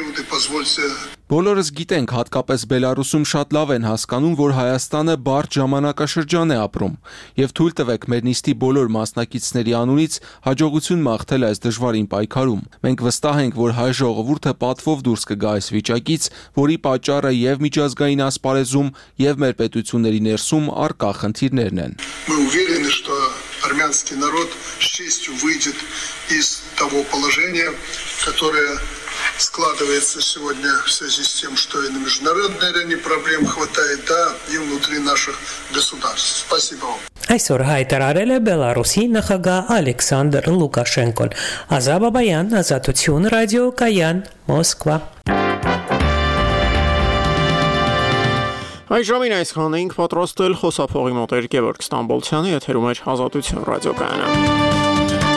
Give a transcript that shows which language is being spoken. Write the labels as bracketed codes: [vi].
[hy] Բոլորս գիտենք, հատկապես Բելարուսում շատ լավ են հասկանում, որ Հայաստանը բարդ ժամանակաշրջան է ապրում, և թույլ տվեք մեր նիստի բոլոր մասնակիցների անունից հաջողություն մաղթել այս դժվարին պայքարում։ Մենք վստահ ենք, որ հայ ժողովուրդը պատվով դուրս կգա այս վիճակից, որի պատճառը և միջազգային ասպարեզում, և մեր պետությունների ներսում առկա խնդիրներն են։ [ru] Армянский народ с честью выйдет из того положения, которое складывается сегодня в связи с тем, что и на международной арене проблем хватает, да, и внутри наших государств. Спасибо вам. [hy] Այսօր հայտարարել է Բելարուսի նախագահ Ալեքսանդր Լուկաշենկոն։ Ազա Բաբայան, Ազատություն Ռադիո Կայան, Մոսկվա։ Այժմին այսքան էինք պատրաստել խոսափողի մոտ, Գևորգ Ստամբոլցյանը, եթերում էր Ազատություն ռադիոկայանը։